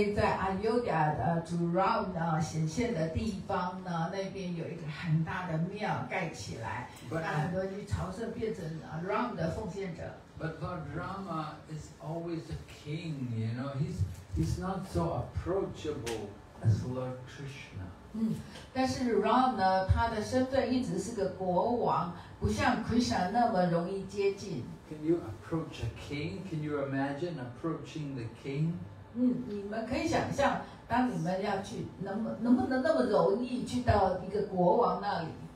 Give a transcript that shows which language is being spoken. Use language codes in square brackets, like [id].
[zh] bhaktas.然后就是说，因为在Ayodhya主 Ram显现的地方呢，那边有一个很大的庙盖起来，那很多人朝圣变成 Ram 的奉献者。 [en] But Lord Rama is always a king, you know. He's not so approachable as Lord Krishna. [zh] 但是 Ram 呢，他的身份一直是个国王，不像 Krishna 那么容易接近。 [en] Can you approach a king? Can you imagine approaching the king? [zh] 你们可以想象，当你们要去，能不能那么容易去到一个国王那里？